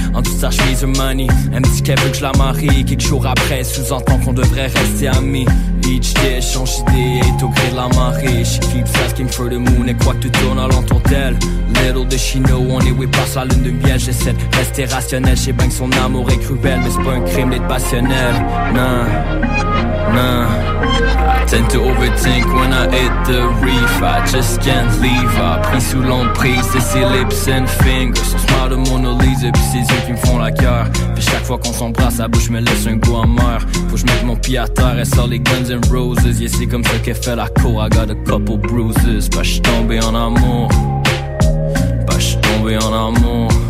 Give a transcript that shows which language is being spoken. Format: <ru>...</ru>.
<fr>En toute sa chemise money, elle me dit qu'elle veut que je la marie. Quelques jours après, sous-entend qu'on devrait rester amis. beach, des échanges d'idées au gré de la marée.</fr> <en>She keeps asking for the moon</en> <fr>et quoi que tu tournes à l'entour d'elle.</fr> <en>Little does she know,</en> <fr>on est</fr> <en>way past</en> <fr>la lune de miel. J'essaie de rester rationnel, j'sais bien que son amour est cruel. Mais c'est pas un crime d'être passionnel, non, non.</fr> <en>I tend to overthink when I hit the reef. I just can't leave. I</en> <fr>pris sous l'emprise de ses</fr> <en>lips and fingers.</en> <fr>Son smile de Mona Lisa, puis ses yeux qui me font la cœur. Puis chaque fois qu'on s'embrasse, sa bouche me laisse un goût amer. Faut que je mette mon pied à terre, elle sort les Guns N' Roses. Yeah, c'est comme ça qu'elle fait la cour.</fr> <en>I got a couple bruises.</en> <fr>Bah, j'suis tombé en amour. Bah, j'suis tombé en amour.</fr>